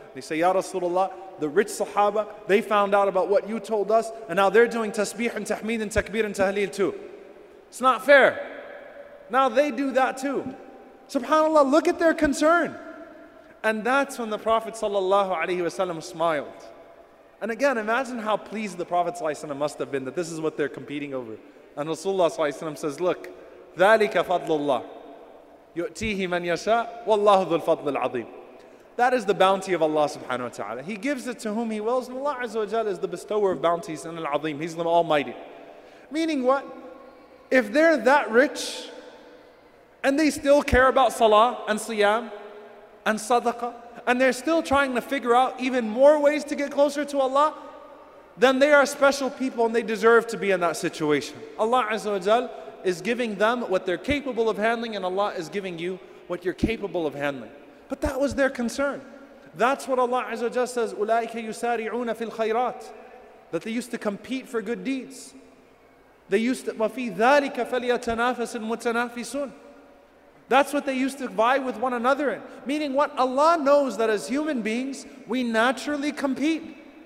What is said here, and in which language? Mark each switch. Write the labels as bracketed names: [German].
[English] They say, Ya Rasulullah, the rich sahaba, they found out about what you told us, and now they're doing tasbih and tahmeed and takbir and tahleel too. It's not fair. Now they do that too. SubhanAllah, look at their concern. And that's when the Prophet ﷺ smiled. And again, imagine how pleased the Prophet ﷺ must have been that this is what they're competing over. And Rasulullah ﷺ says, look, [Arabic] ذَلِكَ فَضْلُ اللَّهِ يُؤْتِيهِ مَنْ يَشَاءُ وَاللَّهُ ذُو الْفَضْلِ الْعَظِيمِ. [English] That is the bounty of Allah subhanahu wa ta'ala. He gives it to whom He wills, and Allah azza wa jal is the bestower of bounties and al-azim. He's the Almighty. Meaning what? If they're that rich, and they still care about salah and siyam and sadaqah, and they're still trying to figure out even more ways to get closer to Allah, then they are special people and they deserve to be in that situation. Allah azza wa jal is giving them what they're capable of handling, and Allah is giving you what you're capable of handling. But that was their concern. That's what Allah Azza wa Jalla says, [Arabic] أُولَٰئِكَ يُسَارِعُونَ فِي الْخَيْرَاتِ, [English] that they used to compete for good deeds. They used to, [Arabic] وَفِي ذَلِكَ فَلْيَتَنَافَسِ الْمُتَنَافِسُونَ. [English] That's what they used to vie with one another in. Meaning what? Allah knows that as human beings, we naturally compete.